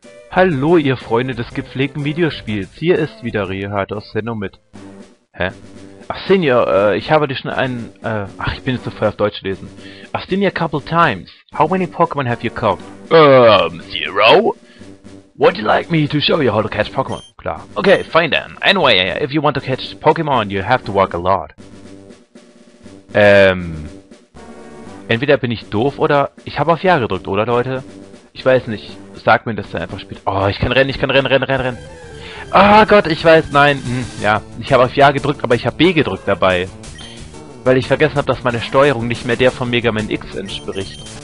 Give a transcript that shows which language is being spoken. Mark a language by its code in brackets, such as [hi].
[de] Hallo, ihr Freunde des gepflegten Videospiels. Hier ist wieder Rehard aus Sendung mit. Hä? Ach, Senior, ich habe dir schon einen, ach, ich bin jetzt so voll auf Deutsch lesen. [en] Ach, Senior, a couple times. How many Pokémon have you caught? Zero? Would you like me to show you how to catch Pokémon? [de] Klar. [en] Okay, fine then. Anyway, if you want to catch Pokémon, you have to work a lot. [de] Entweder bin ich doof oder ich habe auf Ja gedrückt, oder Leute? Ich weiß nicht. Sag mir, dass er einfach spielt. Oh, ich kann rennen, ich kann rennen, rennen, rennen, rennen. Ah, Gott, ich weiß, nein. Hm, ja, ich habe auf Ja gedrückt, aber ich habe B gedrückt dabei. Weil ich vergessen habe, dass meine Steuerung nicht mehr der von Mega Man X entspricht.